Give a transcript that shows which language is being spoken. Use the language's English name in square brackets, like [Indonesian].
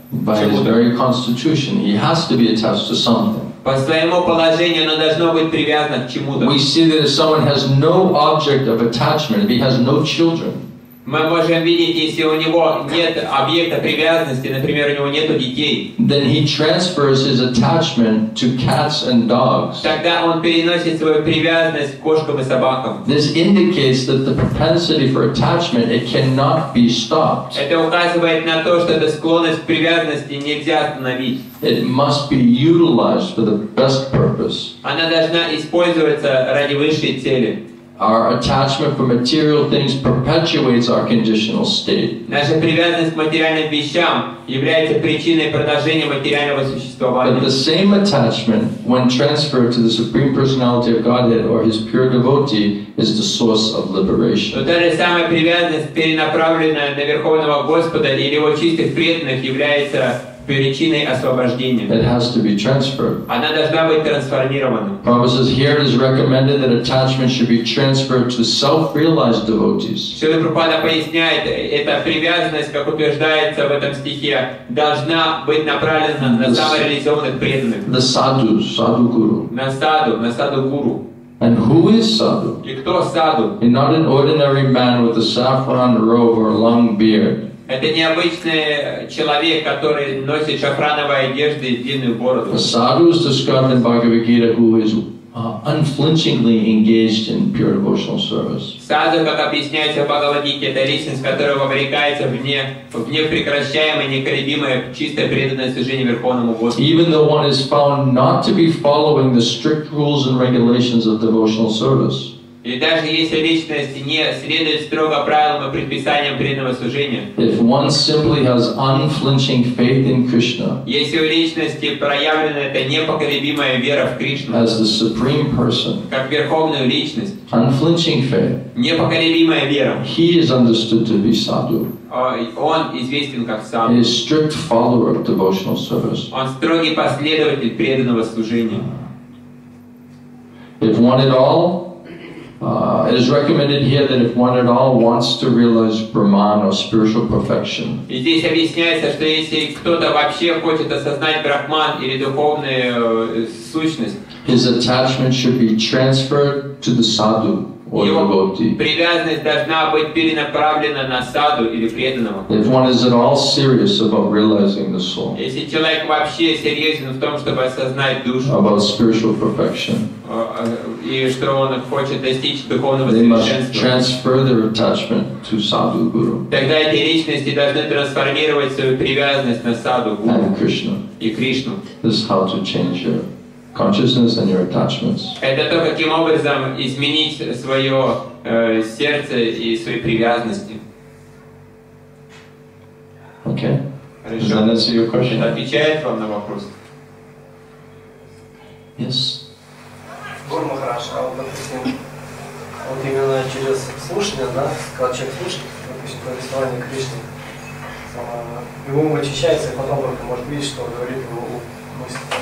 [English] By his very constitution, he has to be attached to something. [Russian] По своему положению оно должно быть привязано к чему-то. [English] We see that if someone has no object of attachment, if he has no children. [Russian] Мы можем видеть, если у него нет объекта привязанности, например, у него нет детей. [English] Then he transfers his attachment to cats and dogs. [Russian] Тогда он переносит свою привязанность к кошкам и собакам. [English] This indicates that the propensity for attachment it cannot be stopped. [Russian] Это указывает на то, что эта склонность к привязанности нельзя остановить. [English] It must be utilized for the best purpose. [Russian] Она должна использоваться ради высшей цели. [English] Our attachment for material things perpetuates our conditional state. [Russian] Наша привязанность к материальным вещам является причиной продолжения материального существования. [English] But the same attachment, when transferred to the Supreme Personality of Godhead or His pure devotee, is the source of liberation. [Russian] Но та же самая привязанность, перенаправленная на Верховного Господа или Его чистых преданных, является причиной освобождения. [English] It has to be transferred. [Russian] Она должна быть трансформирована. [English] Prabhupada says here it is recommended that attachment should be transferred to self-realized devotees. [Russian] Шрила Прабхупада поясняет, эта привязанность, как утверждается в этом стихе, должна быть направлена на самореализованных преданных. [English] The sadhu, sadhu guru. [Russian] На саду гуру. [English] And who is sadhu? [Russian] И кто саду? [English] And not an ordinary man with a saffron robe or a long beard. [Russian] Это необычный человек, который носит шафрановые одежды и длинную бороду. [English] A sadhu is described in Bhagavad Gita who is unflinchingly engaged in pure devotional service. [Russian] Саду, как объясняется в Бхагавад Гите, это личность, которая вовлекается в непрекращаемое, непоколебимое, чистое преданное служение Верховному Господу. [English] Even though one is found not to be following the strict rules and regulations of devotional service. [Russian] И даже если личность не следует строго правилам и предписаниям преданного служения, [English] if one simply has unflinching faith in Krishna, [Russian] если у личности проявлена эта непоколебимая вера в Кришну, [English] as the supreme person, [Russian] как верховную личность, [English] unflinching faith, [Russian] непоколебимая вера, [English] he is understood to be sadhu. [Russian] Он известен как саду. [English] He is strict follower of devotional service. [Russian] Он строгий последователь преданного служения. [English] If one at all, it is recommended here that if one at all wants to realize Brahman or spiritual perfection, [Russian] и здесь объясняется, что если кто-то вообще хочет осознать Брахман или духовную сущность, [English] his attachment should be transferred to the sadhu or devotee. [Russian] Привязанность должна быть перенаправлена на саду или преданного. [English] If one is at all serious about realizing the soul, [Russian] если человек вообще серьезен в том, чтобы осознать душу, [English] about spiritual perfection, [Russian] и что он хочет достичь духовного совершенства, [English] transfer their attachment to sadhu guru. [Russian] Тогда эти личности должны трансформировать свою привязанность на саду гуру [English] and Krishna. [Russian] И Кришну. [English] This is how to change your consciousness and your attachments. [Russian] Это то, каким образом изменить свое сердце и свои привязанности. [English] Okay. [Russian] Хорошо. [English] Does that answer your question? [Russian] Это отвечает вам на вопрос? [English] Yes. [Russian] Гуру Махарадж, а вот, допустим, вот именно через слушание, да, когда человек слушает, допустим, повествование Кришны, его ум очищается, и потом только может видеть, что говорит его мысль.